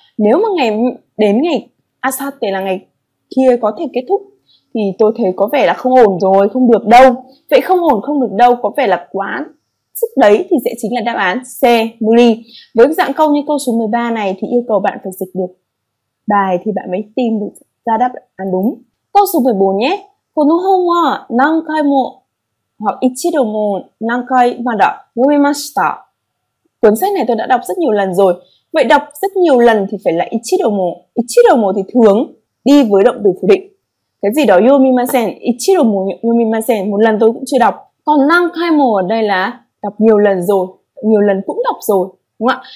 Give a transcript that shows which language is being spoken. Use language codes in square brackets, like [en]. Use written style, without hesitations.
[vi] Nếu mà ngày đến ngày asate là ngày kia có thể kết thúc thì tôi thấy có vẻ là không ổn rồi, không được đâu. Vậy không ổn không được đâu có vẻ là quá sức đấy thì sẽ chính là đáp án C, muri. Với dạng câu như câu số 13 này thì yêu cầu bạn phải dịch được bài thì bạn mới tìm được ra đáp án đúng. Câu số 14 nhé. [ja] この本は何回も、一度も何回まだ読みました。 [vi] Cuốn sách này tôi đã đọc rất nhiều lần rồi. Vậy đọc rất nhiều lần thì phải là ichiromo. Ichiromo thì thường đi với động từ phủ định. Cái gì đó yomimasen, [ja] ichiromo yomimasen, [vi] một lần tôi cũng chưa đọc. Còn nankai mo ở đây là đọc nhiều lần rồi, nhiều lần cũng đọc rồi, đúng không ạ?